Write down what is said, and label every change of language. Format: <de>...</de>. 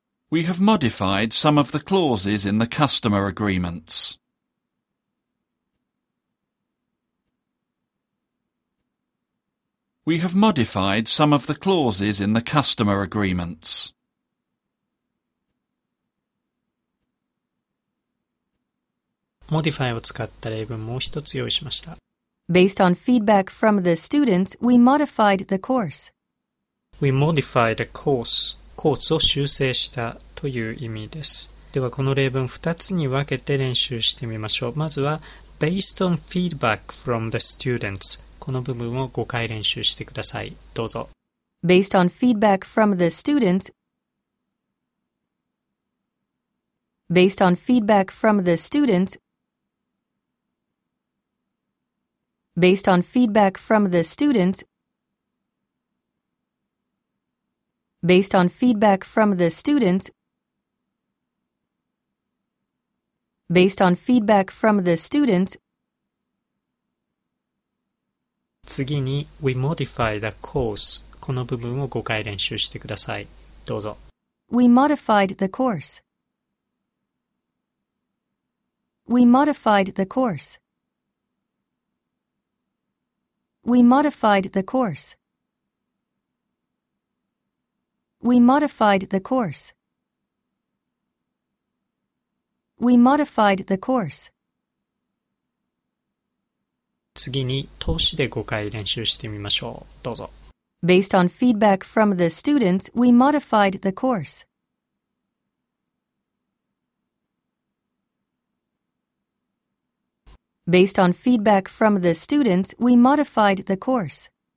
<en>We have modified some of the clauses in the customer agreements. We have modified some of the clauses in the customer agreements.</en> <ja>Modify を使った例文もう一つ用意しました。</ja> <en>Based on feedback from the students, we modified the course. We modified the course.</en> <ja>コースを修正したという意味です。ではこの例文2つに分けて練習してみましょう。まずは、</ja> <en>Based on feedback from the students.</en> <ja>この部分を5回練習してください。どうぞ。</ja> <en>Based on feedback from the students, based on feedback from the students, based on feedback from the students, based on feedback from the students, based on feedback from the students.</en> <ja>次に</ja> <en>We modify the course</en> <ja>この部分を5回練習してください。どうぞ。</ja> <en>We modified the course. We modified the course. We modified the course. We modified the course. We modified the course.</en> <ja>次に通しで5回練習してみましょう。どうぞ。</ja> <en>Based on feedback from the students, we modified the course. Based on feedback from the students, we modified the course.</en>